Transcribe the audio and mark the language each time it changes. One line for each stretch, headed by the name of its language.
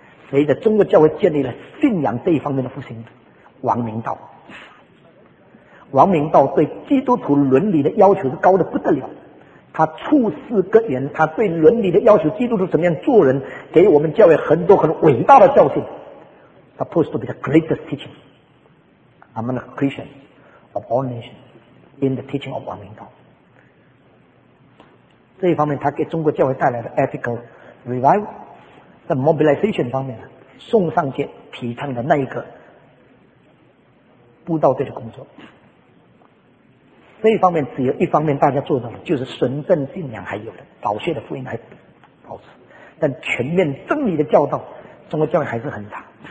Chinese: 随着中国教会建立了信仰这一方面的复兴，王明道，王明道对基督徒伦理的要求是高得不得了，他处事格言，他对伦理的要求，基督徒怎么样做人，给我们教会很多很伟大的教训。
English: Supposed to be the greatest teaching among the Christians of all nations in the teaching of 王明道。
Chinese: 这一方面他给中国教会带来的
English: ethical revival，
Chinese: 在 mobilization 方面，送上街提倡的那一个布道队的工作，这一方面只有一方面大家做到的，就是纯正信仰还有的，宝血的福音还保持，但全面真理的教导中国教育还是很差。